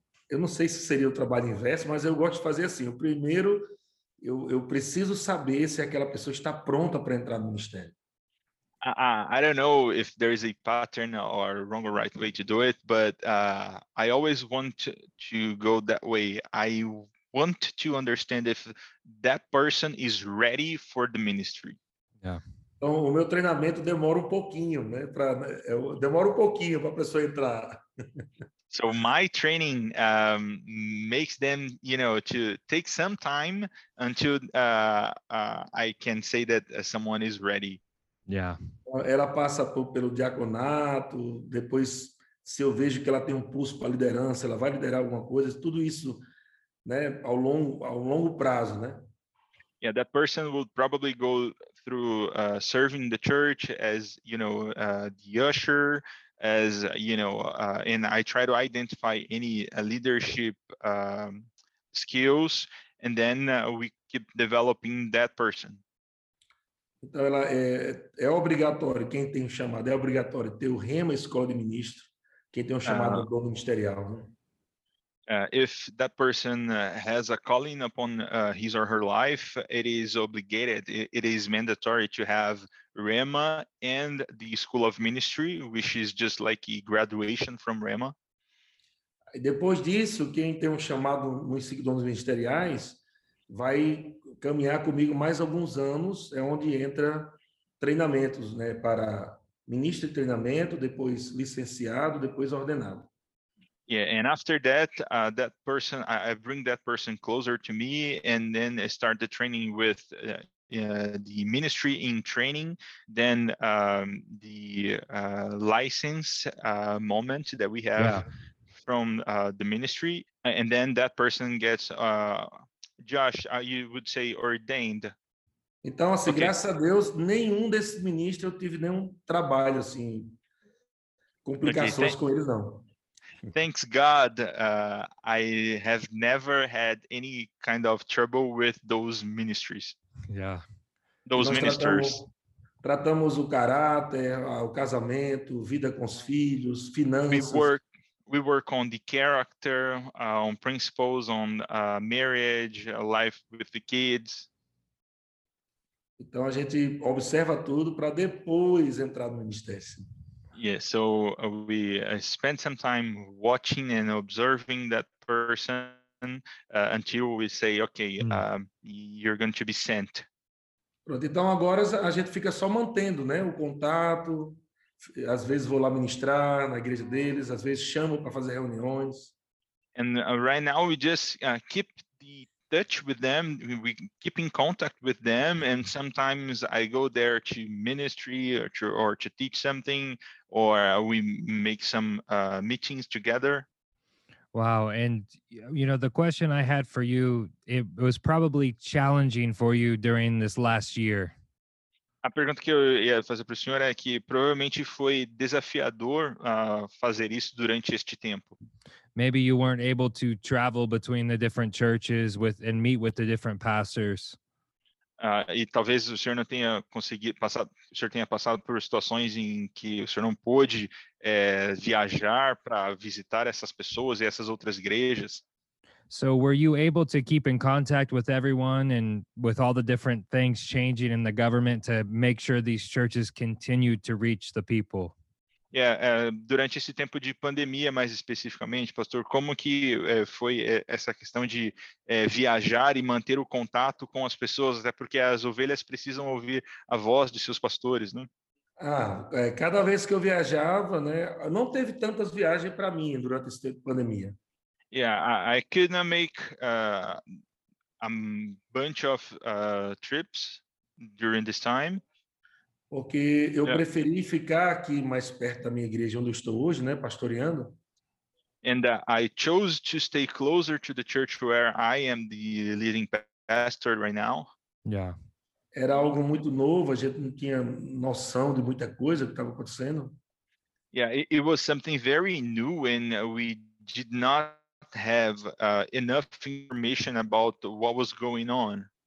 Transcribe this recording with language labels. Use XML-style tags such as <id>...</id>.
<pt>Eu não sei se seria o trabalho inverso, mas eu gosto de fazer assim. O primeiro, eu preciso saber se aquela pessoa está pronta para entrar no ministério.</pt> <en>I don't know if there is a pattern or wrong or right way to do it, but I always want to go that way. I want to understand if that person is ready for the ministry. Yeah.</en> <pt>Então, o meu treinamento demora pouquinho, né? Demora pouquinho para a pessoa entrar.</pt> <en>So my training makes them, you know, to take some time until I can say that someone is ready. Yeah.</en> <pt>Ela passa pelo diaconato, depois se eu vejo que ela tem pulso para liderança, ela vai liderar alguma coisa, tudo isso, né, ao longo prazo, né?</pt> <en>Yeah, that person would probably go through serving the church as, you know, the usher, as, you know, and I try to identify any leadership skills, and then we keep developing that person.</en> <pt>Então, ela é obrigatório, quem tem o chamado, é obrigatório ter o Rema Escola de Ministro, quem tem o chamado do ministerial, né?</pt> <en>If that person has a calling upon his or her life, it is obligated, it is mandatory to have Rema and the School of Ministry, which is just like a graduation from Rema.</en> <pt>Depois disso, quem tem um chamado nos seguidores ministeriais vai caminhar comigo mais alguns anos, é onde entra treinamentos, né, para ministro de treinamento, depois licenciado, depois ordenado.</pt> <en>Yeah, and after that, that person, I bring that person closer to me, and then I start the training with the ministry in training, then the license moment that we have, yeah, from the ministry, and then that person gets, Josh, you would say ordained.</en> <pt>Então, assim, okay. Graças a Deus, nenhum desses ministros eu tive nenhum trabalho, assim, complicações okay, com eles, não.</pt> <en>Thanks God, I have never had any kind of trouble with those ministries. Yeah. Those ministers.</en> <pt>Tratamos o caráter, o casamento, vida com os filhos, finanças.</pt> <en>We work on the character, on principles, on marriage, life with the kids.</en> <pt>Então a gente observa tudo para depois entrar no ministério.</pt> <en>Yeah, so we spend some time watching and observing that person until we say, okay, you're going to be sent.</en> <pt>Pronto, então agora a gente fica só mantendo, né, o contato. Às vezes vou lá ministrar na igreja deles, às vezes chamo para fazer reuniões.</pt> <en>And right now we just keep the touch with them, we keep in contact with them, and sometimes I go there to ministry or to teach something, or we make some meetings together. Wow. And, you know, the question I had for you, it was probably challenging for you during this last year.</en> <pt>A pergunta que eu ia fazer para o senhor é que provavelmente foi desafiador fazer isso durante este tempo.</pt> <en>Maybe you weren't able to travel between the different churches and meet with the different pastors.</en> <pt>E talvez o senhor não tenha conseguido passar, o senhor tenha passado por situações em que o senhor não pôde viajar para visitar essas pessoas e essas outras igrejas.</pt> <en>So were you able to keep in contact with everyone and with all the different things changing in the government to make sure these churches continue to reach the people?</en> <pt>Yeah, durante esse tempo de pandemia, mais especificamente, pastor, como que foi essa questão de viajar e manter o contato com as pessoas, até porque as ovelhas precisam ouvir a voz de seus pastores, né? Cada vez que eu viajava, né, não teve tantas viagens para mim durante esse tempo de pandemia.</pt> <en>Yeah, I could not make a bunch of trips during this time.</en> <pt>Porque eu preferi ficar aqui mais perto da minha igreja onde eu estou hoje, né, pastoreando.</pt> <en>And I chose to stay closer to the church where I am the leading pastor right now. Yeah.</en> <pt>Era algo muito novo, a gente não tinha noção de muita coisa que estava acontecendo.</pt> <en>Yeah, it was something very new and we did not have enough information about what was going on.</en>